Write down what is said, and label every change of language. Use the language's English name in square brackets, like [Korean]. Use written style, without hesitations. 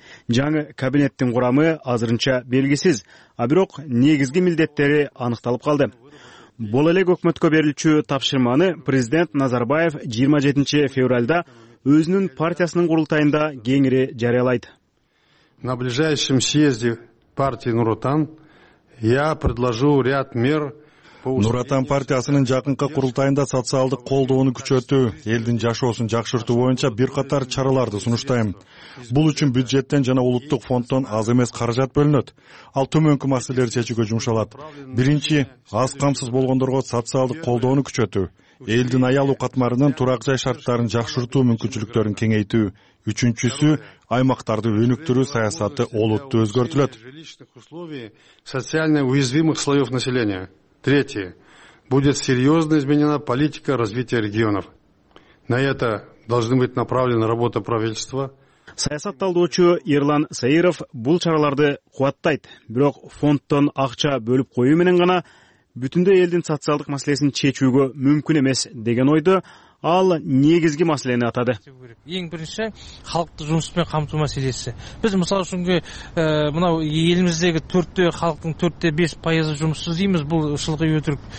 [Kyrgyz] Жаңы кабинеттин курамы азырынча белгисиз, а бирок негизги милдеттери аныкталып калды. Бул эле өкмөткө берилчү тапшырманы президент Назарбаев 27-февралда өзүнүн партиясынын курултайында кеңири жарыялайт. [Russian] На ближайшем съезде партии Нур Отан я предложу ряд мер. [Kyrgyz] Нур Отан партиясынын жакынкы курултайында социалдык колдоону күчөтүү, элдин жашоосун жакшыртуу боюнча бир катар чараларды сунуштайм. Бул үчүн бюджеттен жана улуттук фонддон аз эмес каражат бөлүнөт. Ал төмөнкү маселелерди чечүүгө жумшалат. Биринчи, аз камсыз болгондорго социалдык колдоону күчөтүү, элдин аялуу катмарынын турак жай шарттарын жакшыртуу мүмкүнчүлүктөрүн кеңейтүү. Үчүнчүсү, аймактарды өнүктүрүү саясаты олуттуу өзгөртүлөт. [Russian] Социально уязвимых слоёв населения. Третье. Будет серьезно изменена политика развития регионов. На это должны быть направлены работа правительства. [Kyrgyz] Саясат талдоочу Ирлан Саиров бул чараларды кубаттайт, бирок фонддон акча бөлүп коюу менен гана бүтүндөй элдин социалдык маселесин чечүүгө мүмкүн эмес деген ойдо. Ал негизги маселени атады. Эң биринчи халыкты жумушпен камтуу маселеси. Биз мисалы үчүн мына элимиздеги төрттө халыктын 4-5% жумушсуз дейбиз, бул ушулга өтүрүк.